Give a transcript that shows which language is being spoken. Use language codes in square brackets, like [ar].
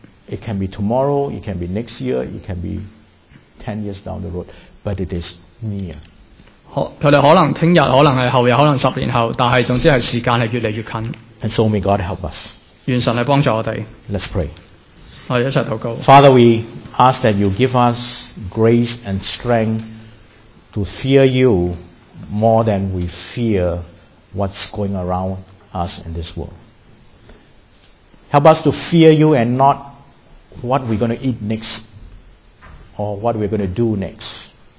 [en] It can be tomorrow, it can be next year, it can be 10 years down the road, but it is near. [yue] 佢哋可能听日，可能系后日，可能十年后，但系总之系时间系越嚟越近。 [en] And so may God help us. [yue] 愿神嚟帮助我哋。 [en] Let's pray. [yue] 我哋一齐祷告。 [en] Father, we ask that you give us grace and strength to fear you more than we fear what's going around us in this world. Help us to fear you and not what we're going to eat next or what we're going to do next.